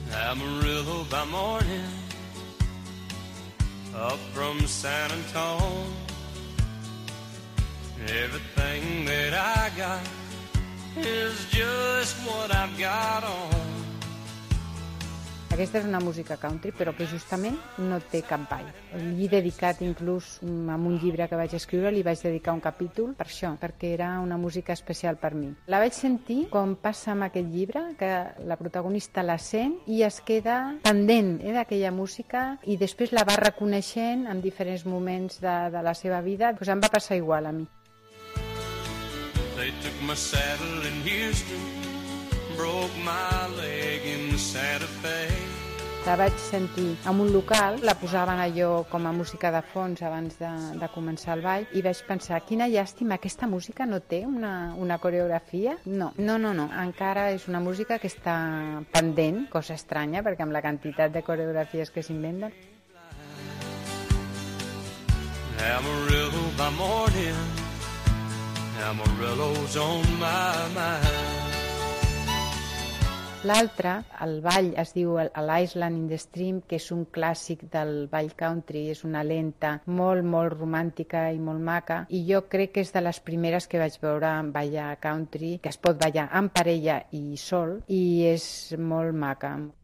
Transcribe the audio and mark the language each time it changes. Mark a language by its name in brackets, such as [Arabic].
[English] Amarillo by morning, up from San Antonio. Everything that I got is just what I've got on. [Catalan] Aquesta és una música country, però que justament no té cap ball. Li he dedicat inclús, amb un llibre que vaig escriure, li vaig dedicar un capítol per això, perquè era una música especial per mi. La vaig sentir com passa amb aquest llibre, que la protagonista la sent i es queda pendent d'aquella música i després la va reconeixent en diferents moments de la seva vida. Doncs em va passar igual a mi. [English] They took my saddle in Houston. Broke my leg in Santa Fe. [Catalan] La vaig sentir en un local, la posaven allò com a música de fons abans de començar el ball i vaig pensar, quina llàstima, aquesta música no té una coreografia? No, encara és una música que està pendent, cosa estranya perquè amb la quantitat de coreografies que s'inventen. [English] Amarillo by morning, Amarillo's on my mind. [Catalan] L'altre, el ball, es diu l'Island in the Stream, que és un clàssic del ball country, és una lenta molt, molt romàntica i molt maca, i jo crec que és de les primeres que vaig veure en ballar country, que es pot ballar amb parella i sol, i és molt maca.